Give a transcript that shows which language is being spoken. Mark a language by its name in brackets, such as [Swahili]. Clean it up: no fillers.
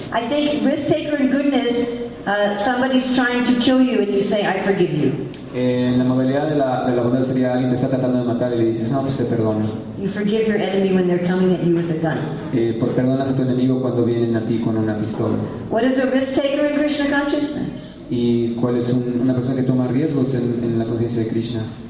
[English] I think risk taker and goodness, somebody's trying to kill you and you say, I forgive you. [Spanish] En la modalidad de la bondad sería alguien te está tratando de matar y le dices, no, pues te perdono. [English] You forgive your enemy when they're coming at you with a gun. [Spanish] Perdonas a tu enemigo cuando vienen a ti con una pistola. [English] What is a risk taker in Krishna consciousness? [Spanish] ¿Y cuál es una persona que toma riesgos en la conciencia de Krishna?